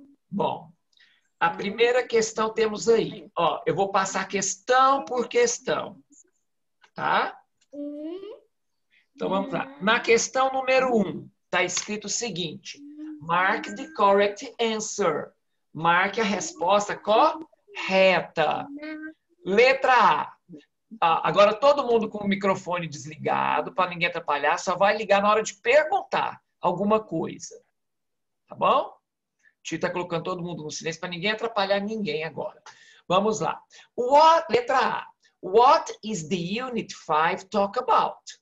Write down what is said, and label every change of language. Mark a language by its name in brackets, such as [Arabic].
[Portuguese] Bom, a primeira questão temos aí. Ó, eu vou passar questão por questão. Tá? Então vamos lá. Na questão número 1, tá escrito o seguinte. [English] Mark the correct answer. [Portuguese] Marque a resposta correta. Letra A. Agora todo mundo com o microfone desligado para ninguém atrapalhar, só vai ligar na hora de perguntar alguma coisa. Tá bom? Tita tá colocando todo mundo no silêncio para ninguém atrapalhar ninguém agora. Vamos lá. Letra A. [English] What is the unit 5 talk about?